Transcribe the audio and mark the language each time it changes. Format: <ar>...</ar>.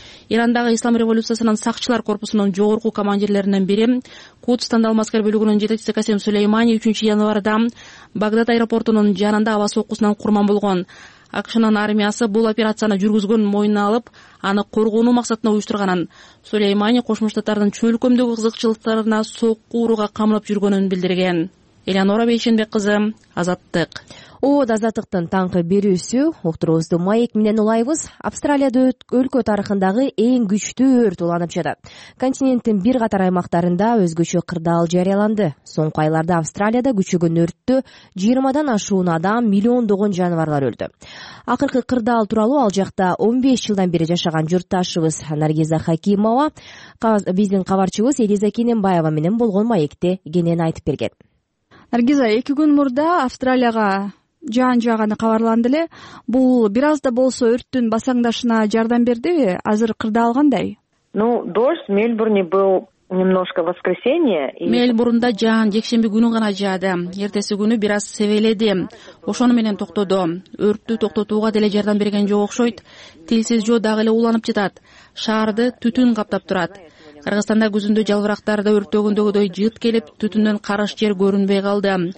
<ky>Ирандагы Ислам революциясынын сакчылар корпусунун жогорку командирлеринен бири, Кудс тандалма аскер бөлүгүнүн жетекчиси Касим Сулеймани 3 январда Багдад аэропортунун жанында аба соккусунан курман болгон. АКШнын армиясы бул операцияны жүргүзгөн мойнуна алып, аны коргонуу максатына уюштурганын, Сулеймани Кошмо Штаттардын чөлкөмдөгү кызыкчылыктарына сокку урууга камалып жүргөнүн билдирген. Элеонора Бейшенбек кызы, Азаттык. Ооба, Азаттыктын таңкы берүүсү уктуруубузду маек менен улайбыз. Австралияда өлкө тарыхындагы эң күчтүү өрт уланып жатат. Континенттин бир катар аймактарында өзгөчө кырдаал жарыяланды. Соңку айларда Австралияда күчөгөн өрттө 20 ашуун адам, миллиондогон жаныбарлар өлдү. Акыркы кырдаал тууралуу ал жакта 15 жылдан бери жашаган журтташыбыз Наргиза Хакимова биздин кабарчыбыз Элиза Кененбаева менен болгон маекте кенен айтып берген. Наргиза, 2 күн мурда Австралияга жаан жааганы кабарланды эле. Бул бир аз да болсо өрттүн басаңдашына жардам бердиби? Азыр кырдаал кандай?</ky> <ru>Ну, дождь в Мельбурне был немножко в воскресенье.</ru> <ky>Мельбурнда жаан жекшемби күнү гана жаады. Эртеси күнү бир аз себеледи. Ошону менен токтоду. Өрттү токтотууга деле жардам берген жок окшойт. Тилсиз жоо дагы эле уланып жатат. Шаарды түтүн каптап турат. Кыргызстанда күзүндө жалбырактарды өрттөгөндөгүдөй жыт келип, түтүндөн карыш жер көрүнбөй калды.</ky>